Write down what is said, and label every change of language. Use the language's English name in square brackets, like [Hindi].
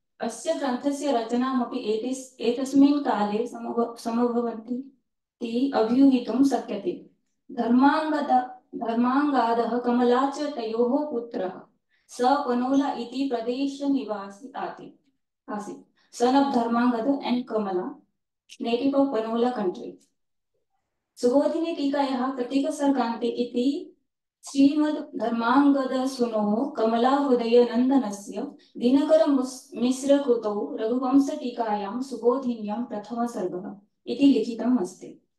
[Sanskrit] अस्य ग्रन्थस्य रचनामपि एतस्मिन् काले समभवन्ति अभ्युहितुं शक्यते। धर्मांगादः कमला च तयोः पुत्रः स पनोला इति प्रदेश निवासी आसीत्। [English] Son of Dharmangad and Kamala, native of Panola country. [Sanskrit] Subodhini टीकायाः प्रतीक सर्गान्ते इति श्रीमद् धर्मांगद सुनोः कमला हृदय नंदनस्य दिनकर मिश्र कृतौ रघुवंश टीकायां सुबोधिन्यां प्रथम सर्गः इति लिखितम् अस्ति।